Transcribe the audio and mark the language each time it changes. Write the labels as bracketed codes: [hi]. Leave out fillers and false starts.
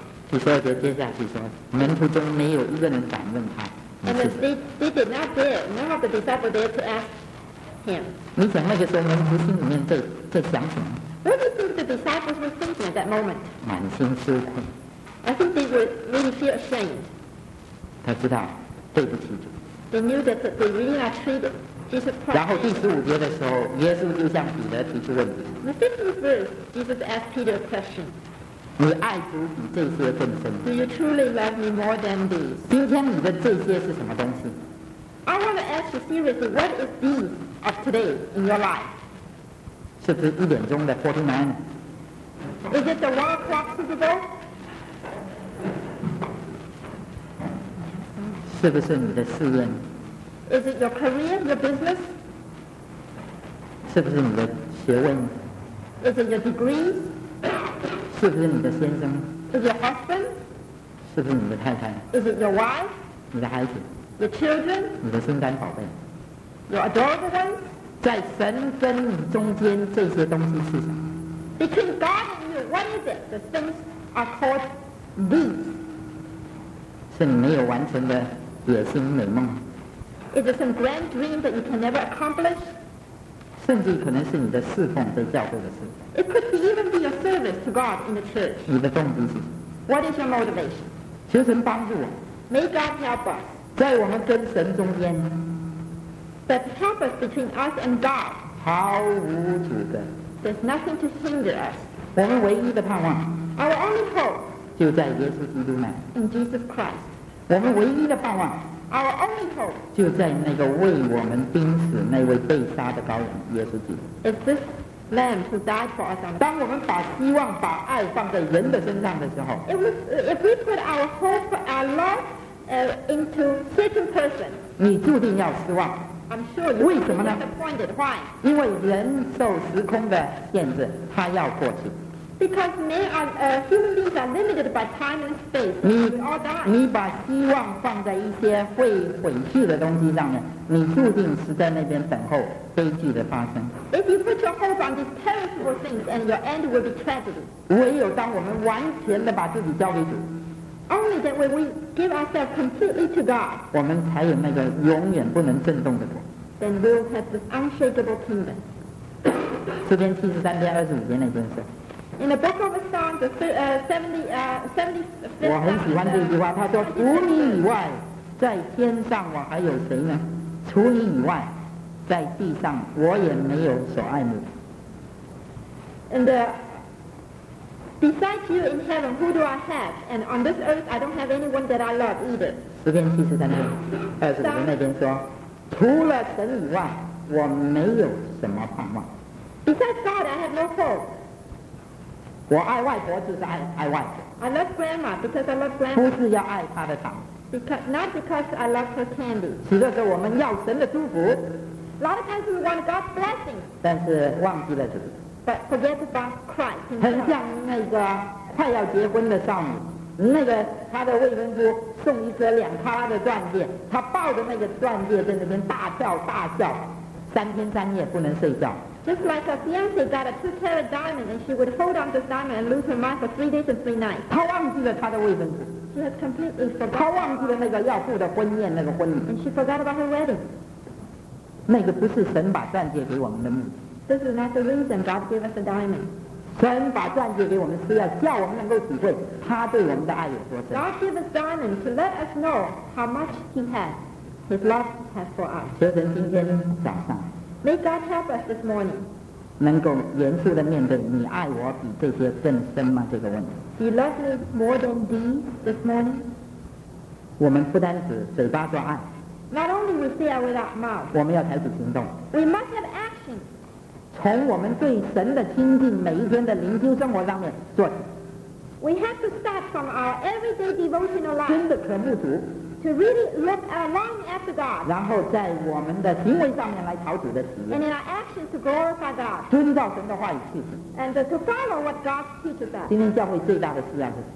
[zh] 第十二节接下去说，门徒中没有一个人敢问他。 [en] And they did not dare, none of the disciples dared to ask him. [zh] 你想那个时候门徒心里面在想什么 [en] ？What do you think the disciples were thinking at that moment? [zh] 满心羞愧。 [en] I think they were really feel ashamed. [zh] 他知道对不起主。 [en] They knew that they really are treated Jesus Christ. [zh] 然后第十五节的时候，耶稣就向彼得提出问题。 [en] The 15th verse, Jesus asked Peter a question. [zh] 你爱主比这些更深。 [en] Do you truly love me more than these? [zh] 今天你的这些是什么东西 [en] ？I want to ask you seriously, what is these of today in your life? [zh] 是不是一点钟的 49? [en] Is it the 1 o'clock Super Bowl? [zh] 是不是你的事业 [en] ？Is it your career, your business? [zh] 是不是你的学问 [en] ？Is it your degrees? [zh] 是不是你的先生 [en] ？Is your husband？ [zh] 是不是你的太太 [en] ？Is it your wife？ [zh] 你的孩子 [en] ？Your children？ [zh] 你的心肝宝贝 [en] ？Your adored ones？ [zh] 在神跟你中间这些东西是什么 [en] ？Between God and you, what is it? The things are called these. [zh] 是你没有完成的野心美梦 [en] ？Is it some grand dream that you can never accomplish？ [zh] 甚至可能是你的侍奉在教会的事。 [en] It could even be your service to God in the church. [zh] 你的动机是？ [en] What is your motivation? [zh] 求神帮助我。 [en] May God help us. [zh] 在我们跟神中间。 [en] But help us between us and God. [zh] 毫无阻隔。 [en] There's nothing to hinder us. [zh] 我们唯一的盼望。 [en] Our only hope. [zh] 就在耶稣基督那。 [en] In Jesus Christ. [zh] 我们唯一的盼望。 [en] Our only hope. [zh] 就在那个为我们钉死那位被杀的羔羊耶稣基督。 [en] Is this lamb who died for us? [zh] 当我们把希望、把爱放在人的身上的时候 [en] ，If we put our hope, our love, into certain person, [zh] 你注定要失望。 [en] I'm sure you. [zh] 为什么呢 [en] ？Disappointed. Why? [zh] 因为人受时空的限制，他要过去。 [en] Because men are, human beings are limited by time and space. We all die. [zh] 你把希望放在一些会毁去的东西上面，你注定是在那边等候悲剧的发生。 [en] If you put your hope on these perishable things, and your end will be tragedy. [zh] 唯有当我们完全的把自己交给主 [en] ，Only that when we give ourselves completely to God, [zh] 我们才有那个永远不能震动的国。 [en] Then we'll have this unshakable kingdom. [zh] 诗篇73:25那边说。 [en] In the book of Psalms, the 75th Psalm. [zh] 我很喜欢这句话，他说：“除你以外，在天上我还有谁呢？除你以外，在地上我也没有所爱慕。” [en] And besides you in heaven, who do I have? And on this earth, I don't have anyone that I love either. [zh] 诗篇七十三篇二十节那边说：“除了神以外，我没有什么盼望。” [en] Besides God, I have no hope. [zh] 我爱外婆就是爱外婆。 [en] I love grandma because I love grandma. [zh] 不是要爱她的糖。 [en] Not because I love her candy. [zh] 其实是我们要神的祝福。 [en] A lot of times we want God's blessing. [zh] 但是忘记了主。 [en] But forget about Christ. [zh] 很像那个快要结婚的少女，那个她的未婚夫送一颗两卡拉的钻戒，她抱着那个钻戒在那边大跳大笑，三天三夜不能睡觉。 [en] Just like a fiancé got a 2-carat diamond and she would hold on to this diamond and lose her mind for 3 days and 3 nights. [zh] 她忘记了她的未婚夫。 [en] She has completely forgotten. [zh] 她忘记了那个要赴的婚宴，那个婚礼。 [en] And she forgot about her wedding. [zh] 那个不是神把钻戒给我们的目的。 [en] This is not the reason God gave us a diamond. [zh] 神把钻戒给我们是要叫我们能够体会他对我们的爱有多深。 [en] God gave us diamond to let us know how much he has, his love has for us. [zh] 求神今天早上。 [en] May God help us this morning. [zh] 能够严肃地面对你爱我比这些更深吗这个问题。 [en] Do you love me more than these this morning? [zh] 我们不单只嘴巴说爱。 [en] Not only we say it with our mouth. [zh] 我们要采取行动。 [en] We must have action. [zh] 从我们对神的亲近每一天的灵修生活上面做起。 [en] We have to start from our everyday devotional life. [zh] 真的渴慕主。 [en] To really look long after God. [zh] 然后在我们的行为上面来讨主的喜悦。 [en] And in our actions to glorify God. [zh] 遵照神的话语去行。 [en] And to follow what God teaches us. [zh] 今天教会最大的需要是。